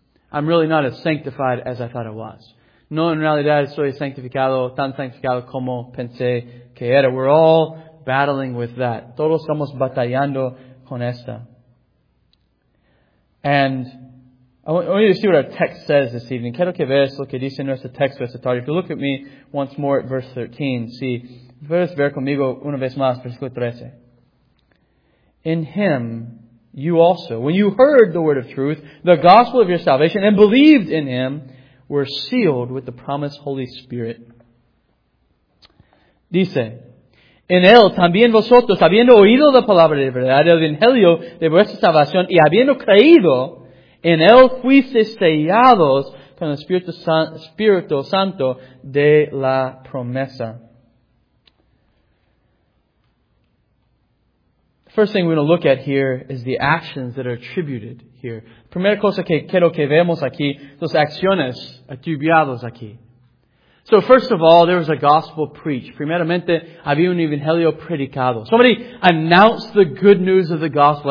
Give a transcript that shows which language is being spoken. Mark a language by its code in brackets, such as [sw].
[en] I'm really not as sanctified as I thought I was. [es] No, en realidad soy sanctificado, tan sanctificado como pensé que era. [en] We're all battling with that. [es] Todos estamos batallando con esta. [en] And I want you to see what our text says this evening. [es] Quiero que veas lo que dice nuestro texto esta tarde. [en] If you look at me once more at verse 13, see, [es] puedes ver conmigo una vez más, versículo 13. [en] In Him, you also, when you heard the word of truth, the gospel of your salvation, and believed in Him, were sealed with the promised Holy Spirit. [es] Dice, en Él también vosotros, habiendo oído la palabra de verdad, el evangelio de vuestra salvación, y habiendo creído, en Él fuisteis sellados con el Espíritu Santo de la promesa. [en] First thing we're going to look at here is the actions that are attributed here. [es] Primera cosa que quiero que veamos aquí, las acciones atribuidas aquí. [en] So first of all, there was a gospel preached. [es] Primeramente, había un evangelio predicado. [en] Somebody announced the good news of the gospel.